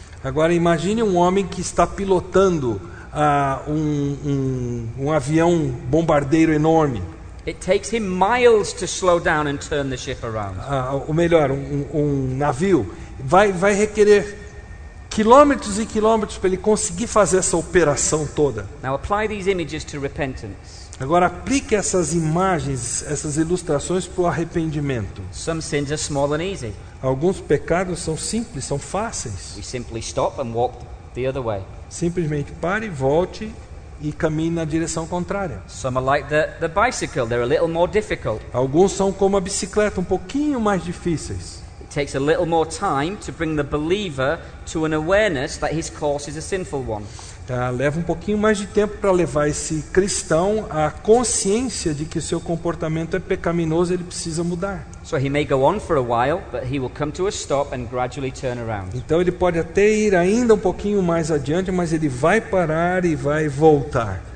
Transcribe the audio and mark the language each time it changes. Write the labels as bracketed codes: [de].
[pt] Agora imagine um homem que está pilotando um avião bombardeiro enorme. [en] It takes him miles to slow down and turn the ship around. [pt] Ou melhor, um navio vai requerer quilômetros e quilômetros para ele conseguir fazer essa operação toda. [en] Now apply these images to repentance. [pt] Agora aplique essas imagens, essas ilustrações para o arrependimento. [en] Some sins are small and easy. [pt] Alguns pecados são simples, são fáceis. [en] We simply stop and walk the other way. [pt] Simplesmente pare, volte e caminhe na direção contrária. [en] Some are like the bicycle, they're a little more difficult. [pt] Alguns são como a bicicleta, um pouquinho mais difíceis. [en] It takes a little more time to bring the believer to an awareness that his course is a sinful one. [pt] Leva um pouquinho mais de tempo para levar esse cristão à consciência de que seu comportamento é pecaminoso e ele precisa mudar. [en] So he may go on for a while, but he will come to a stop and gradually turn around. [pt] Então ele pode até ir ainda um pouquinho mais adiante, mas ele vai parar e vai voltar.